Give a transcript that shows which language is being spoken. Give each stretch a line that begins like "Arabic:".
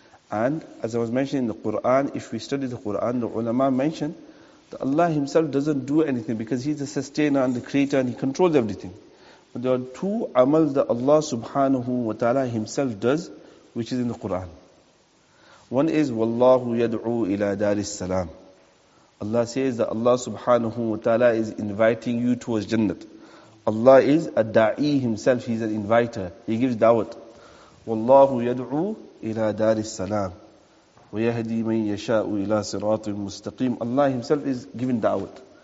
English: And as I was mentioning in the Qur'an, if we study the Qur'an, the ulama mentioned that Allah himself doesn't do anything because he's the sustainer and the creator and he controls everything. But there are two amals that Allah subhanahu wa ta'ala himself does, which is in the Qur'an. One is,
Arabic: وَاللَّهُ يَدْعُو إِلَىٰ دَارِ السَّلَامِ.
English: Allah says that Allah subhanahu wa ta'ala is inviting you towards Jannat. Allah is a da'i himself, he's an inviter, he gives da'wat.
Arabic: وَاللَّهُ يَدْعُو إِلَىٰ دَارِ السَّلَامِ وَيَهْدِي مَنْ يَشَاءُ إِلَىٰ صِرَاطٍ مُسْتَقِيمٍ.
English: Allah himself is giving da'wat.